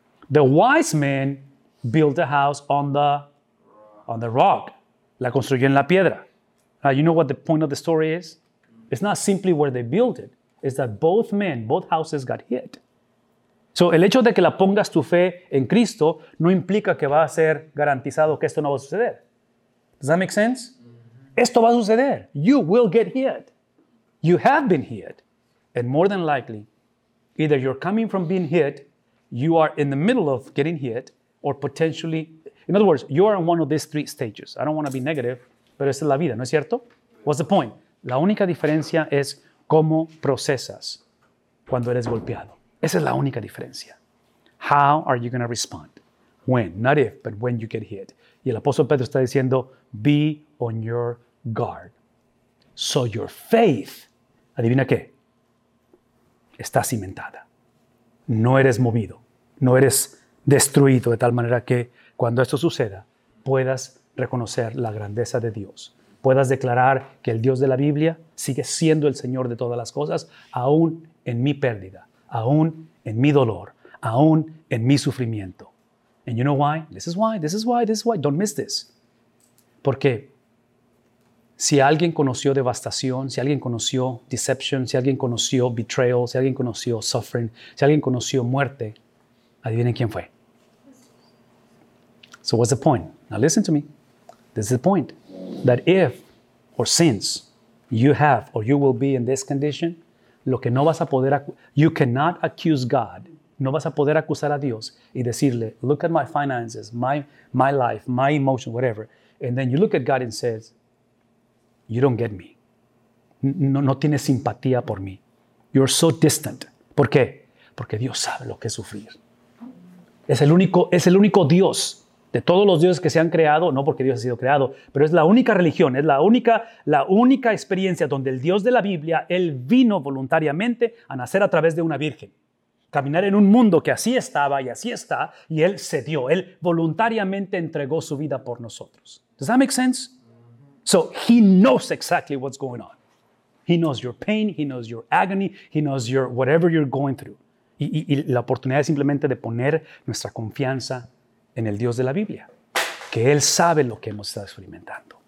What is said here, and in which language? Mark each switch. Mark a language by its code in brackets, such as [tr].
[en] The wise man built a house on the rock. [es] La construyó en la piedra. [en] You know what the point of the story is? It's not simply where they built it. It's that both men, both houses got hit. [es] So, el hecho de que la pongas tu fe en Cristo no implica que va a ser garantizado que esto no va a suceder. [en] Does that make sense? [es] Esto va a suceder. [en] You will get hit. You have been hit. And more than likely, either you're coming from being hit, you are in the middle of getting hit, or potentially, in other words, you are in one of these three stages. I don't want to be negative, [es] pero esa es la vida, ¿no es cierto? [en] What's the point? [es] La única diferencia es cómo procesas cuando eres golpeado. Esa es la única diferencia. [en] How are you going to respond? When? Not if, but when you get hit. [es] Y el apóstol Pedro está diciendo, [en] be on your guard. So your faith, [es] ¿adivina qué? Está cimentada. No eres movido. No eres destruido de tal manera que cuando esto suceda, puedas reconocer la grandeza de Dios. Puedas declarar que el Dios de la Biblia sigue siendo el Señor de todas las cosas, aún en mi pérdida, aún en mi dolor, aún en mi sufrimiento. [en] And you know why? This is why. Don't miss this. [es] Porque si alguien conoció devastación, si alguien conoció deception, si alguien conoció betrayal, si alguien conoció suffering, si alguien conoció muerte, adivinen quién fue. [en] So what's the point? Now listen to me. This is the point, that if or since you have or you will be in this condition, [es] lo que no vas a poder, [en] you cannot accuse God, [es] no vas a poder acusar a Dios y decirle, [en] look at my finances, my life, my emotion, whatever. And then you look at God and says, you don't get me. [es] No tienes simpatía por mí. [en] You're so distant. [es] ¿Por qué? Porque Dios sabe lo que es sufrir. Es el único Dios de todos los dioses que se han creado, no porque Dios ha sido creado, pero es la única religión, es la única experiencia donde el Dios de la Biblia, Él vino voluntariamente a nacer a través de una virgen. Caminar en un mundo que así estaba y así está, y Él se dio. Él voluntariamente entregó su vida por nosotros. [en] Does that make sense? So, He knows exactly what's going on. He knows your pain, He knows your agony, He knows your whatever you're going through. [es] Y la oportunidad es simplemente de poner nuestra confianza en el Dios de la Biblia, que Él sabe lo que hemos estado experimentando.